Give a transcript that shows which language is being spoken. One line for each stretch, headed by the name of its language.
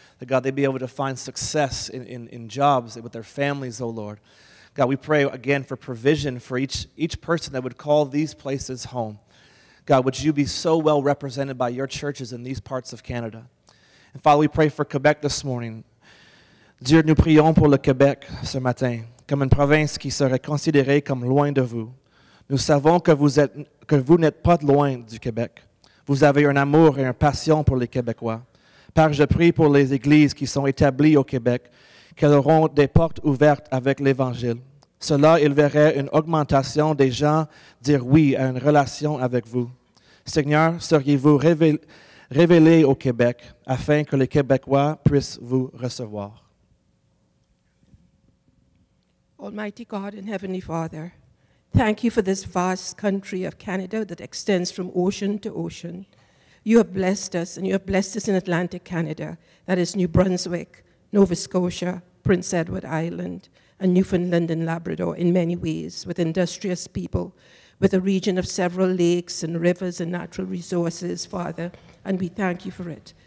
English: That, God, they'd be able to find success in jobs with their families, oh Lord. God, we pray again for provision for each person that would call these places home. God, would you be so well represented by your churches in these parts of Canada? And Father, we pray for Quebec this morning.
French: Dieu, nous prions pour le Québec ce matin, comme une province qui serait considérée comme loin de vous. Nous savons que vous n'êtes pas loin du Québec. Vous avez un amour et une passion pour les Québécois. Père, je prie pour les églises qui sont établies au Québec, qu'elles auront des portes ouvertes avec l'Évangile. Cela, il verrait une augmentation des gens dire oui à une relation avec vous. Seigneur, seriez-vous révélé au Québec afin que les Québécois puissent vous recevoir?
English: Almighty God and Heavenly Father, thank you for this vast country of Canada that extends from ocean to ocean. You have blessed us, and you have blessed us in Atlantic Canada, that is New Brunswick, Nova Scotia, Prince Edward Island, and Newfoundland and Labrador in many ways, with industrious people, with a region of several lakes and rivers and natural resources, Father, and we thank you for it.